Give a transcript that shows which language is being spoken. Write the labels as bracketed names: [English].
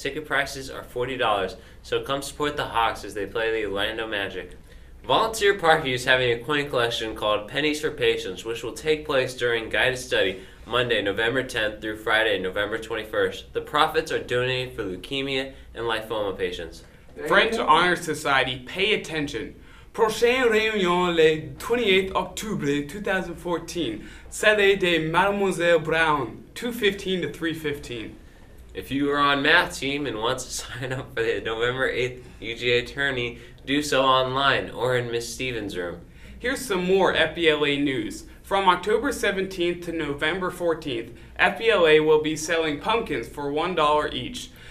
[English] Ticket prices are $40, so come support the Hawks as they play the Orlando Magic. Volunteer Parkview is having a coin collection called Pennies for Patients, which will take place during guided study Monday, November 10th through Friday, November 21st. The profits are donated for leukemia and lymphoma patients. French Honor Society, pay attention. [French] Prochaine réunion le 28th octobre 2014, Salle de Mademoiselle Brown, 2:15 to 3:15. [English] If you are on math team and want to sign up for the November 8th UGA tourney, do so online or in Ms. Stevens' room. Here's some more FBLA news. From October 17th to November 14th, FBLA will be selling pumpkins for $1 each.